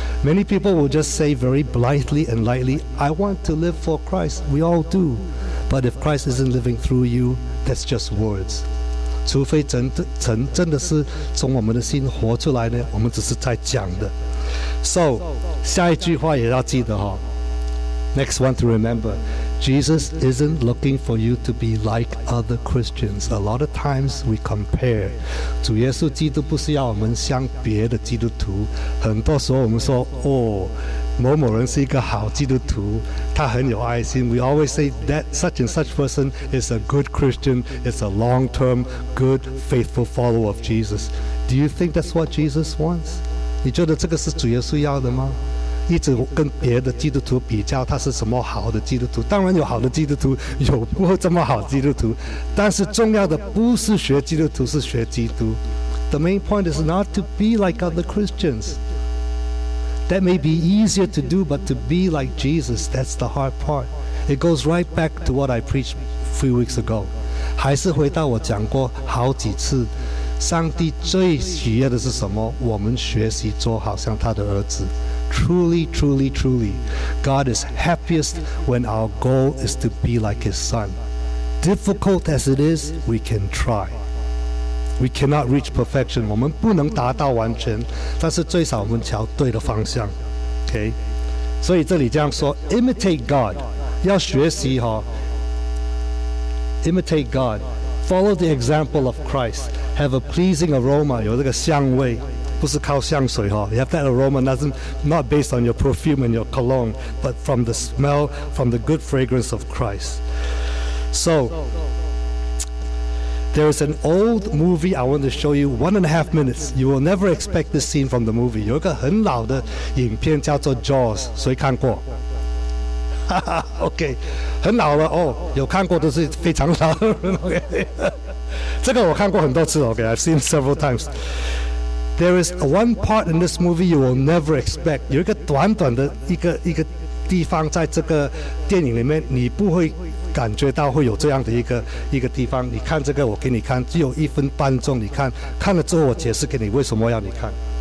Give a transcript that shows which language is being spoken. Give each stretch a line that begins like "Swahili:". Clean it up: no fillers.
English: Many people will just say very blithely and lightly, I want to live for Christ. We all do. But if Christ isn't living through you, that's just words.
Chinese: 除非真的是从我们的心活出来呢，我们只是在讲的。
English: So
Chinese: 下一句话也要记得，
English: Next one to remember, Jesus isn't looking for you to be like other Christians. A lot of times we compare.
Chinese: 主耶稣基督不是要我们像别的基督徒。很多时候我们说，哦，某某人是一个好基督徒，他很有爱心。
English: We always say that such and such person is a good Christian, is a long-term, good, faithful follower of Jesus. Do you think that's what Jesus wants?
Chinese: 你觉得这个是主耶稣要的吗？一直跟别的基督徒比较，他是什么好的基督徒？当然有好的基督徒，有不这么好基督徒。但是重要的不是学基督徒，是学基督。
English: The main point is not to be like other Christians. That may be easier to do, but to be like Jesus, that's the hard part. It goes right back to what I preached a few weeks ago.
Chinese: 还是回到我讲过好几次，上帝最喜悦的是什么？我们学习做好像他的儿子。
English: Truly, truly, truly, God is happiest when our goal is to be like His Son. Difficult as it is, we can try. We cannot reach perfection.
Chinese: 我们不能达到完全，但是最少我们朝对的方向。 Okay? 所以这里这样说 ，
English: imitate God，
Chinese: 要学习哈。
English: Imitate God, follow the example of Christ. Have a pleasing aroma，
Chinese: 有这个香味。不是靠香水哈
English: ，you have that aroma, not based on your perfume and your cologne, but from the smell, from the good fragrance of Christ. So, there is an old movie I want to show you 1.5 minutes. You will never expect this scene from the movie.
Chinese: 有一个很老的影片叫做 Jaws， 谁看过？ OK， 很老了哦，有看过都是非常老的人。 OK， 这个我看过很多次。
English: OK， I've seen several times. There is one part in this movie you will never expect.
Chinese: 有一个短短的一个地方在这个电影里面，你不会感觉到会有这样的一个地方。你看这个，我给你看，只有一分半钟。你看，看了之后我解释给你为什么要你看。